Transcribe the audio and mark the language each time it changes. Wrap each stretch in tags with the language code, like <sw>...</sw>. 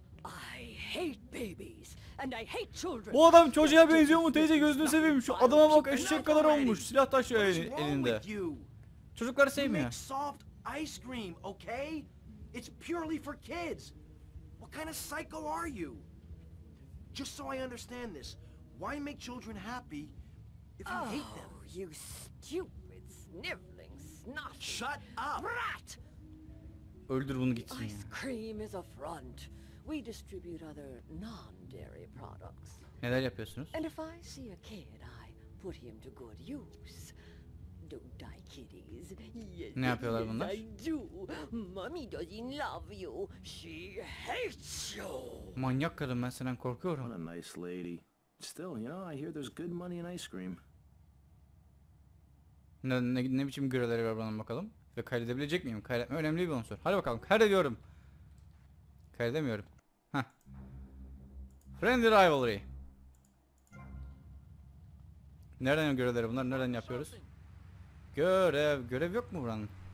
<en>I hate babies and I hate children.</en> <tr>Bu adam çocuğa benziyor mu teyze, gözünü seveyim. Şu adama bak, eşek kadar olmuş. Silah taşıyor elinde. Çocukları sevmiyor.</tr> <en>Soft ice cream, okay? It's purely for kids. What kind of psycho are you? Just so I understand this, why make children happy if you hate them? Oh, you stupid sniveling snot. Shut up. Rat.</en> <tr>Öldür bunu gitsin.</tr> <en>Ice cream is a front. We distribute other non-dairy products.</en> <tr>Neler yapıyorsunuz?</tr> <en>And if I see a kid, I put him to good use. Don't die, kiddies. Yes,</en> <tr>ne yapıyorlar bunlar?</tr> <en>I do. Mommy doesn't love you. She hates you.</en> <tr>Manyak kadın, ben senden korkuyorum.</tr> <en>What a nice lady. Still, you know, I hear there's good money in ice cream.</en> <tr>Ne biçim görevleri var bana bakalım? Ve kaydedebilecek miyim? Kaydetme önemli bir unsur. Hadi bakalım, kaydediyorum. Kaydedemiyorum. Heh. Friendly Rivalry. Nereden görevleri bunlar? Nereden yapıyoruz? Görev. Görev yok mu buranın?</tr>